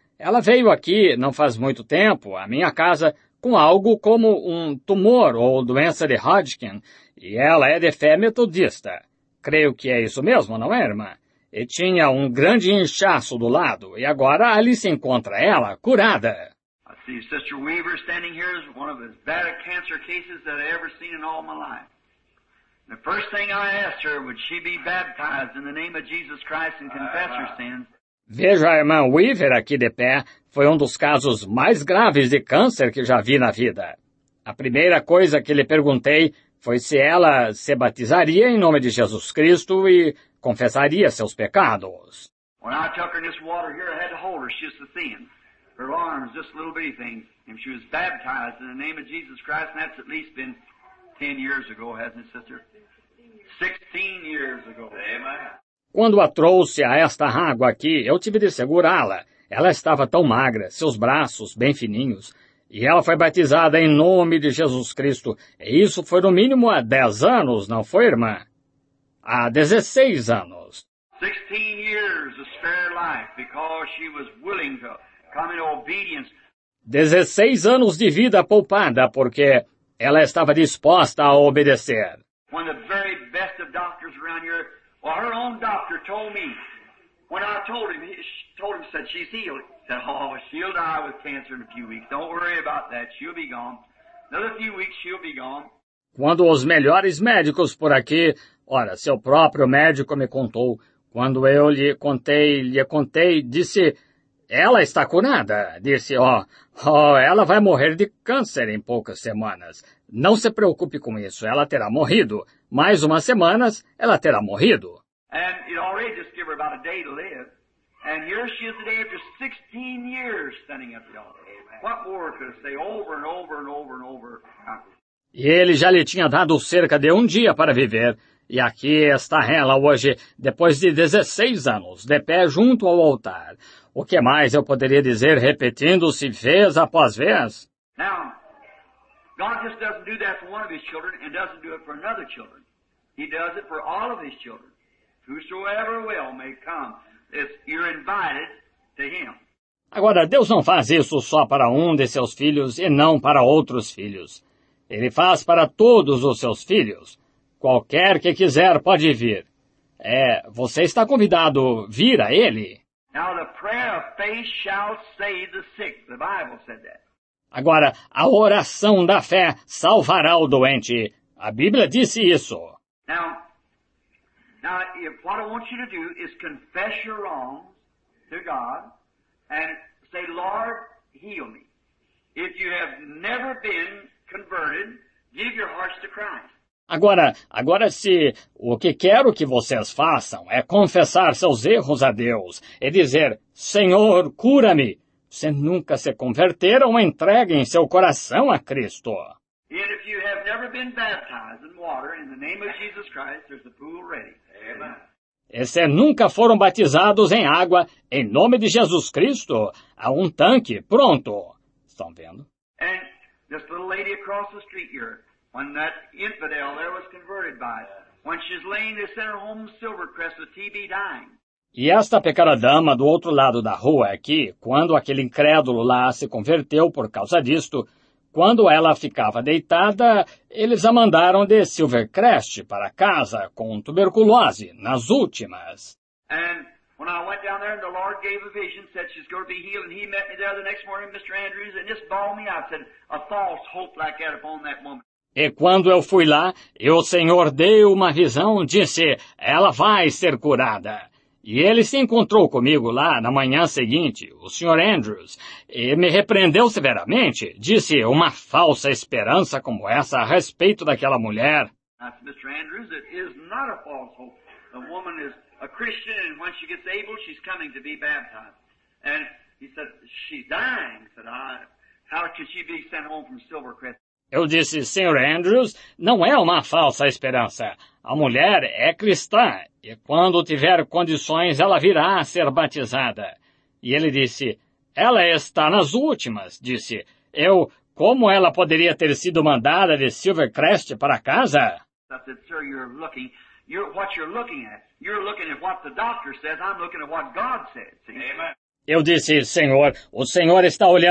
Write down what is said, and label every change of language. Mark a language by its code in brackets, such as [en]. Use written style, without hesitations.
[pt] Ela veio aqui, não faz muito tempo, à minha casa, com algo como um tumor ou doença de Hodgkin, e ela é de fé metodista. Creio que é isso mesmo, não é, irmã? E tinha um grande inchaço do lado, e agora ali se encontra ela, curada. [en] I see Sister Weaver standing here as one of the bad cancer cases that I ever seen in all my life. The first thing I asked her, would she be baptized in the name of Jesus Christ and confess her sins? [pt] Vejo a irmã Weaver aqui de pé, foi um dos casos mais graves de câncer que já vi na vida. A primeira coisa que lhe perguntei, foi se ela se batizaria em nome de Jesus Cristo e confessaria seus pecados. [en] When I took her in this water here, I had to hold her. She's so thin. Her arms, just a little bitty thing. And she was baptized in the name of Jesus Christ. And that's at least been 10 years ago, hasn't it, sister? 16 years ago. Amen. [pt] Quando a trouxe a esta água aqui, eu tive de segurá-la. Ela estava tão magra, seus braços bem fininhos... E ela foi batizada em nome de Jesus Cristo. E isso foi no mínimo há 10 anos, não foi, irmã? Há 16 anos. [en] 16 years of spare life because she was willing to come in obedience. [pt] 16 anos de vida poupada porque ela estava disposta a obedecer. [en] One of the very best of doctors around here, well, her own doctor told me, when I told him, said she's healed. Oh, she'll die with cancer in a few weeks. Don't worry about that. She'll be gone. Another few weeks, she'll be gone. [pt] quando os melhores médicos por aqui... Ora, seu próprio médico me contou. Quando eu lhe contei, disse... Ela está curada. Disse, ela vai morrer de câncer em poucas semanas. Não se preocupe com isso, ela terá morrido. Mais umas semanas, ela terá morrido. [en] And it already just gave her about a day to live. And here she is today after 16 years standing at the altar. What more could I say over and over and over and over? [pt] E ele já lhe tinha dado cerca de um dia para viver. E aqui está ela hoje, depois de 16 anos, de pé junto ao altar. O que mais eu poderia dizer repetindo-se vez após vez? [en] Now, God just doesn't do that for one of his children and doesn't do it for another children. He does it for all of his children. Whosoever will may come, if you're invited to him. [pt] Agora, Deus não faz isso só para um de seus filhos e não para outros filhos. Ele faz para todos os seus filhos. Qualquer que quiser pode vir. É, você está convidado a vir a ele. [en] Now the prayer of faith shall save the sick. The Bible said that. [pt] Agora, a oração da fé salvará o doente. A Bíblia disse isso. [en] Now, if what I want you to do is confess your wrongs to God and say, Lord, heal me. If you have never been converted, give your hearts to Christ. [pt] Agora se o que quero que vocês façam é confessar seus erros a Deus e dizer, Senhor, cura-me. Se nunca se converteram, entreguem seu coração a Cristo. [en] And if you have never been baptized in water in the name of Jesus Christ, there's a pool ready. [pt] E se nunca foram batizados em água, em nome de Jesus Cristo, há um tanque pronto. Estão vendo? [en] And this little lady across the street here, when that infidel there was converted by, when she's laying this in her home Silvercrest with TB dying. [pt] E esta pequena dama do outro lado da rua aqui, quando aquele incrédulo lá se converteu por causa disto, quando ela ficava deitada, eles a mandaram de Silvercrest para casa com tuberculose, nas últimas. [en] And when I went down there and the Lord gave a vision, said she's going to be healed, and he met me there the next morning, Mr. Andrews, and just bawled me out, said, a false hope like that upon that woman. [pt] E quando eu fui lá, e o Senhor deu uma visão, disse, ela vai ser curada. E ele se encontrou comigo lá na manhã seguinte, o Sr. Andrews, e me repreendeu severamente, disse, uma falsa esperança como essa a respeito daquela mulher. [en] Mr. Andrews, it is not a false hope. The woman is a Christian, and when she gets able, she's coming to be baptized. And he said, she's dying. Said, how could she be sent home from Silvercrest? [pt] Eu disse, Sr. Andrews, não é uma falsa esperança. A mulher é cristã, e quando tiver condições, ela virá a ser batizada. E ele disse, ela está nas últimas. Disse, eu, como ela poderia ter sido mandada de Silvercrest para casa? [en] I said, sir, you're looking at. You're looking at what the doctor says, I'm looking at what God says. Amen. [pt] Eu disse, Senhor, o Senhor está...